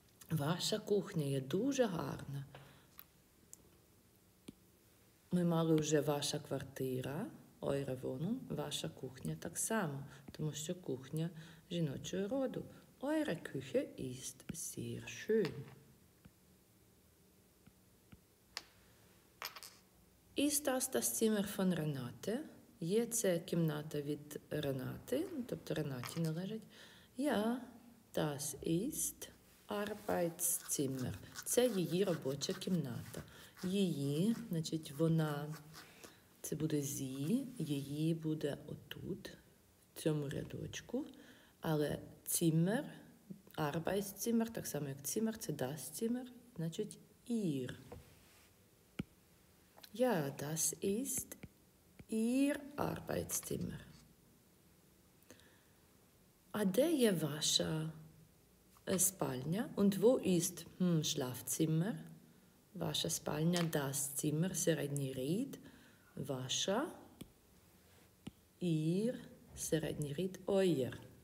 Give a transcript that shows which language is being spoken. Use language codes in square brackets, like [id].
[uk] Ваша кухня є дуже гарна. Ми мали вже ваша квартира, [de] eure Wohnung, [uk] ваша кухня так само, тому що кухня жіночого роду. [de] Eure Küche ist sehr schön. Ist das das Zimmer von Renate? [uk] Є це кімната від Ренати, тобто Ренаті належить. [de] Ja, das ist Arbeitszimmer. [uk] Це її робоча кімната. Її, значить, вона, це буде sie, її буде отут, в цьому рядочку. Але Zimmer, Arbeitszimmer, так само як Zimmer, це das Zimmer, значить ihr. [de] Ja, das ist Ihr Arbeitszimmer. [uk] А де є ваша спальня? [de] Und wo ist Schlafzimmer? [uk] Ваша спальня, das Zimmer, середній рід. Ваша, ihr, середній рід, euer.